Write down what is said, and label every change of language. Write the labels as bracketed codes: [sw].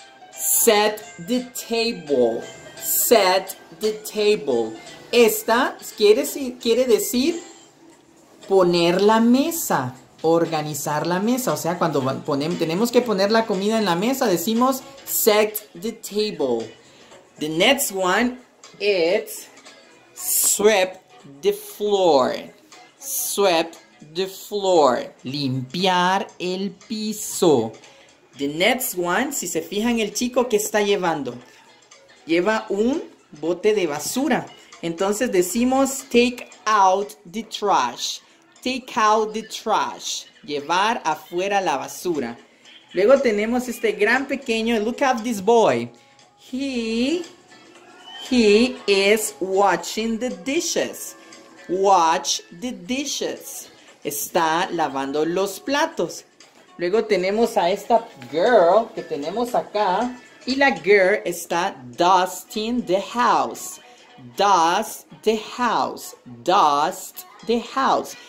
[en] Set the table. Set the table. [es] Esta quiere decir poner la mesa, organizar la mesa. O sea, cuando tenemos que poner la comida en la mesa, decimos [en] set the table. The next one is sweep the floor. Sweep the floor. [es] Limpiar el piso. [en] The next one, [es] si se fijan el chico, ¿qué está llevando? Lleva un bote de basura. Entonces decimos [en] take out the trash. Take out the trash. [es] Llevar afuera la basura. Luego tenemos este gran pequeño. [en] Look at this boy. He is watching the dishes. Watch the dishes. [es] Está lavando los platos. Luego tenemos a esta girl que tenemos acá. Y la girl está [en] dusting the house. Dust the house. Dust the house.